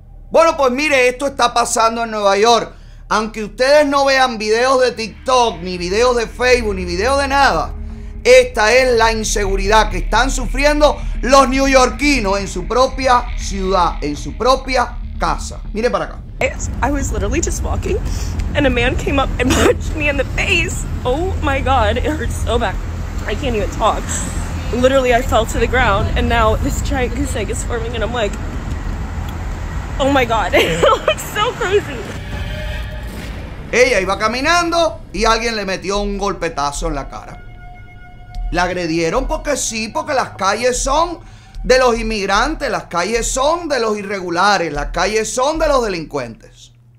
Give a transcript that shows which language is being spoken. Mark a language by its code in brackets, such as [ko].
[es] Bueno, pues mire, esto está pasando en Nueva York. Aunque ustedes no vean videos de TikTok, ni videos de Facebook, ni videos de nada, esta es la inseguridad que están sufriendo los neoyorquinos en su propia ciudad, en su propia casa. Mire para acá. [en] I was literally just walking and a man came up and punched me in the face. Oh my God, it hurts so bad. I can't even talk. Literally, I fell to the ground and now this giant goose egg is forming and I'm like, oh my God, it looks so crazy. [es] Ella iba caminando y alguien le metió un golpetazo en la cara. La agredieron porque sí, porque las calles son de los inmigrantes, las calles son de los irregulares, las calles son de los delincuentes.